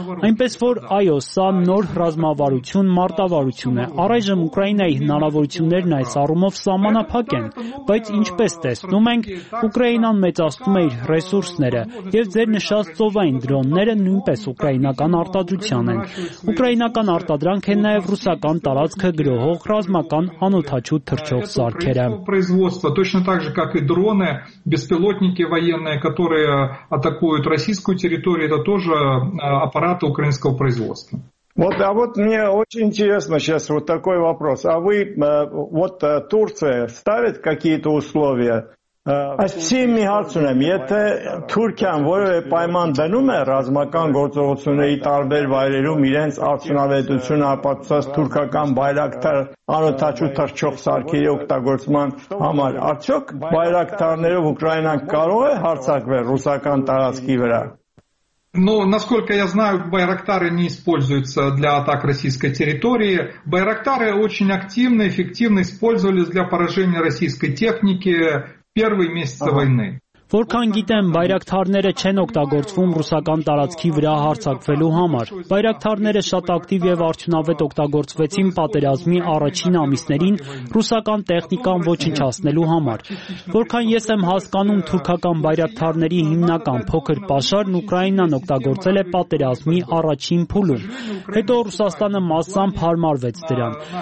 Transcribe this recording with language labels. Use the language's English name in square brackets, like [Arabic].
[Armenian] Այնպես որ, այո, սա նոր ռազմավարություն, մարտավարություն է։ Առայժմ Ուկրաինայի հնարավորություններն այս առումով սահմանափակ են, բայց ինչպես տեսնում ենք, Ուկրաինան մեծացնում է իր ռեսուրսները, եւ ձեր նշած ծովային դրոնները նույնպես ուկրաինական արտադրության են։ Ուկրաինական արտադրանքը նաև ռուսական տարածքը գրոհող ռազմական անօթաչու թռչող սարքերը։ [Russian] Точно так же, как и дроны, беспилотники военные, которые атакуют российскую территорию, это тоже аппараты украинского производства. Вот, а вот мне очень интересно сейчас вот такой вопрос. А вы вот Турция ставит какие-то условия? [Armenian] Այսպեսի մի հարց ունեմ, եթե Թուրքիան որևէ պայման դնում է ռազմական գործողությունների տարբեր վայրերում իրենց արդյունավետությունը ապացուցած թուրքական բայրակտար անօթաչու թռչող սարքերի օգտագործման համար, արդյոք բայրակտարներով Ուկրաինան կարող է հարձակվել ռուսական տարածքի վրա? [Russian] Ну, насколько я знаю, байрактары не используются для атак российской территории. Байрактары очень активно, эффективно использовались для поражения российской техники. Первые месяцы войны. [Armenian] Որքան գիտեմ, բայրակթարները չեն օգտագործվում ռուսական տարածքի վրա հարձակվելու համար։ Բայրակթարները շատ ակտիվ եւ արդյունավետ օգտագործվեցին պատերազմի առաջին ամիսներին ռուսական տեխնիկան ոչնչացնելու համար։ Որքան ես եմ հասկանում, թուրքական բայրակթարների հիմնական փոքր պաշարն Ուկրաինան օգտագործել է պատերազմի առաջին փուլում։ Հետո Ռուսաստանը մասամբ հարմարվեց դրան։